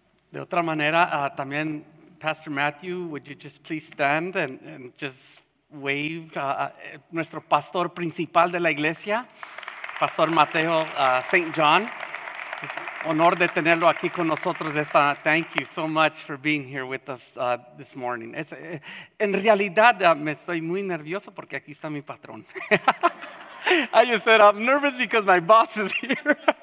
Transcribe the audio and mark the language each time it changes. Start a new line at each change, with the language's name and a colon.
Spanish: De otra manera, también
English: Pastor Matthew, would you just please stand and just wave?
Spanish: Nuestro pastor principal de la iglesia, Pastor Mateo St. John. Es un honor de tenerlo aquí con nosotros esta noche.
English: Thank you so much for being here with us this morning.
Spanish: En realidad, me estoy muy nervioso porque aquí está mi patrón.
English: I just said I'm nervous because my boss is here.